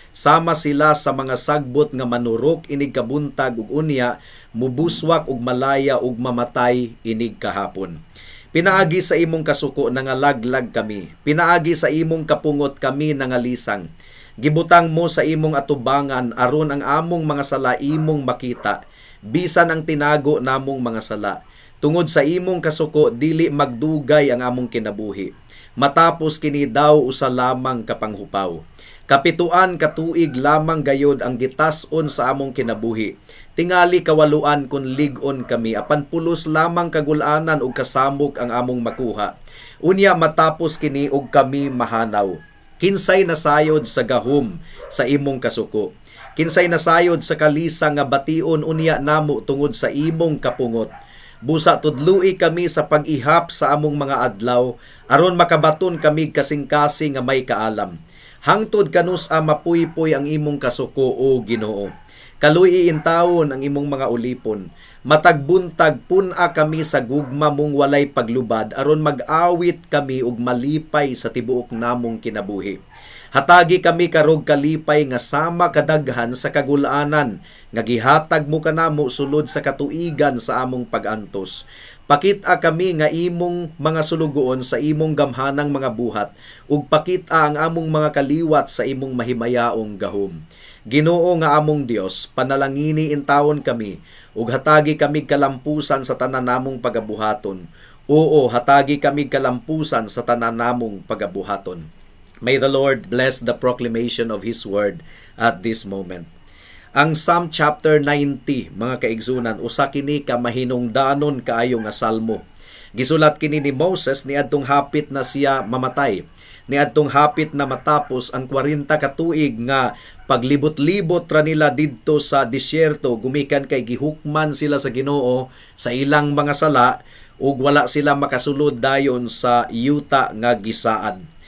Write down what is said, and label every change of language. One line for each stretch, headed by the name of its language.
Cebuano: Sama sila sa mga sagbot nga manurok inig kabuntag ug unya, mubuswak ug malaya ug mamatay inig kahapon. Pinaagi sa imong kasuko nangalaglag kami. Pinaagi sa imong kapungot kami nangalisang. Gibutang mo sa imong atubangan aron ang among mga sala imong makita. Bisan ang tinago namong mga sala. Tungod sa imong kasuko dili magdugay ang among kinabuhi. Matapos kini daw usa lamang kapanghupaw. Kapituan katuig lamang gayod ang gitas-on sa among kinabuhi. Tingali kawaluan kun lig-on kami, apan pulos lamang kagulanan ug kasamok ang among makuha. Unya matapos kini ug kami mahanaw. Kinsay nasayod sa gahom sa imong kasuko. Kinsay nasayod sa kalisang nga bation unya namo tungod sa imong kapungot. Busa tudlui kami sa pag-ihap sa among mga adlaw, aron makabaton kami kasing-kasing nga may kaalam. Hangtod kanus-a mapuy-puy ang imong kasuko o Ginoo. Kaluiin taon ang imong mga ulipon. Matagbuntag pun-a kami sa gugma mong walay paglubad, aron mag-awit kami ug malipay sa tibuok namong kinabuhi. Hatagi kami karog kalipay nga sama kadaghan sa kagulaanan, nga gihatag mo kanamo sulod sa katuigan sa among pag-antos. Pakita kami nga imong mga sulugoon sa imong gamhanang mga buhat, ug pakita ang among mga kaliwat sa imong mahimayaong gahom. Ginoo nga among Dios, panalangini intawon kami, ug hatagi kami kalampusan sa tanan namong pagabuhaton. Oo, hatagi kami kalampusan sa tanan namong pagabuhaton.
English: May the Lord bless the proclamation of His Word at this moment.
Cebuano: Ang Psalm chapter 90, mga kaigsoonan, usa kini ka mahinungdanon kaayo nga salmo. Gisulat kini ni Moses niadtong hapit na siya mamatay, niadtong hapit na matapos ang 40 ka tuig nga paglibot-libot ra nila didto sa disyerto, gumikan kay gihukman sila sa Ginoo sa ilang mga sala ug wala sila makasulod dayon sa yuta nga gisaad.